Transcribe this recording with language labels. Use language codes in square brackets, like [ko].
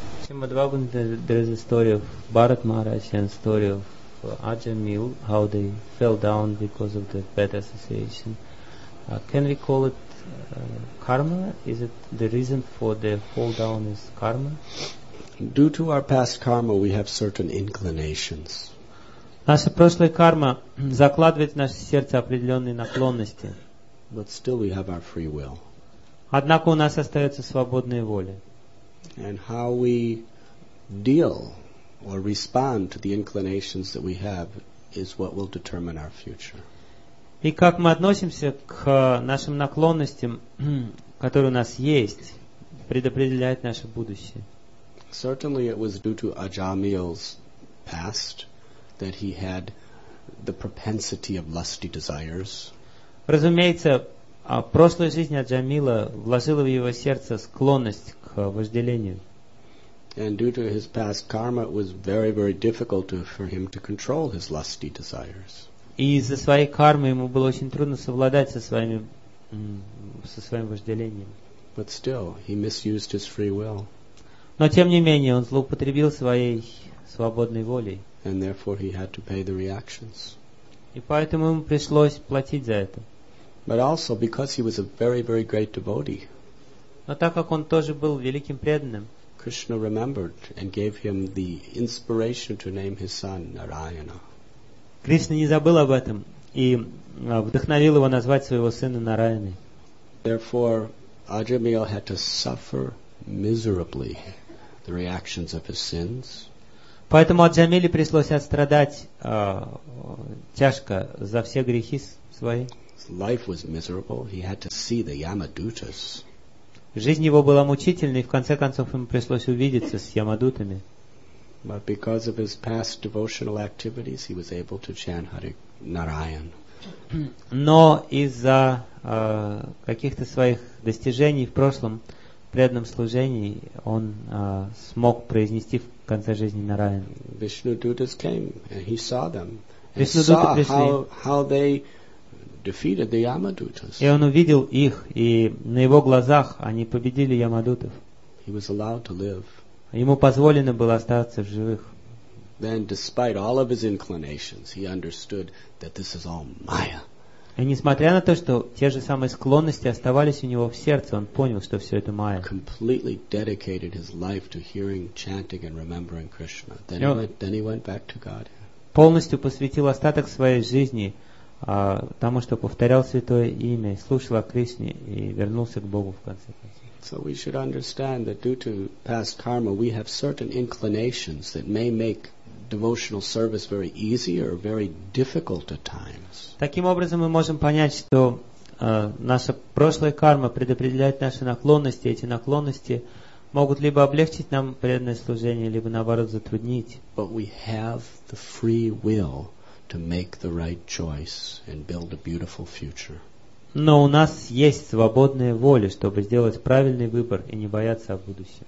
[en] There's a story of Bharat Maharaj and story of Ajahn Mill, how they fell down because of the bad association. Can we call it karma? Is it the reason for the fall down is karma? Due to our past karma, we have certain inclinations. [ru] Наша прошлая карма закладывает в наше сердце определенные наклонности. [en] But still we have our free will. [ru] Однако у нас остается свободная воля. [en] And how we deal or respond to the inclinations that we have is what will determine our future. [ru] И как мы относимся к нашим наклонностям, которые у нас есть, предопределяет наше будущее. [en] Certainly it was due to Ajamil's past that he had the propensity of lusty desires. [ru] Разумеется, прошлая жизнь Аджамила вложила в его сердце склонность к вожделению. [en] And due to his past karma, it was very, very difficult for him to control his lusty desires. [ru] И из-за своей кармы ему было очень трудно совладать со своим вожделением. [en] But still, he misused his free will. [ru] Но тем не менее, он злоупотребил своей свободной волей. [en] And therefore, he had to pay the reactions. [ru] И поэтому ему пришлось платить за это. [en] But also, because he was a very, very great devotee. [ru] Но так как он тоже был великим преданным. [en] Krishna remembered and gave him the inspiration to name his son Narayana. [ru] Кришна не забыл об этом и вдохновил его назвать своего сына Нараяной. [en] Therefore, Ajamil had to suffer miserably the reactions of his sins. [ru] Поэтому Аджамиле пришлось отстрадать тяжко за все грехи свои. [en] His life was miserable. He had to see the Yamadutas. [ru] Жизнь его была мучительной, и в конце концов ему пришлось увидеться с Ямадутами. [en] But because of his past devotional activities, he was able to chant Hare Narayan. [ru] Но из-за каких-то своих достижений в прошлом преданном служении он смог произнести в конце жизни Нараян. [en] Vishnudutas came, and he saw them, and saw how they defeated the Yamadutas. [ru] И он увидел их, и на его глазах они победили Ямадутов. [en] He was allowed to live. [ru] Ему позволено было остаться в живых. [en] Then, despite all of his inclinations, he understood that this is all Maya. [ru] И несмотря на то, что те же самые склонности оставались у него в сердце, он понял, что все это Maya. [en] Completely dedicated his life to hearing, chanting, and remembering Krishna. Then he went back to God. [ru] Полностью посвятил остаток своей жизни тому, что повторял святое имя, слушал о Кришне и вернулся к Богу в конце концов. [en] So we should understand that due to past karma, we have certain inclinations that may make devotional service very easy or very difficult at times. [ru] Таким образом, мы можем понять, что наша прошлая карма предопределяет наши наклонности. Эти наклонности могут либо облегчить нам преданное служение, либо наоборот затруднить. [en] But we have the free will to make the right choice and build a beautiful future. [ru] Но у нас есть свободная воля, чтобы сделать правильный выбор и не бояться о будущем.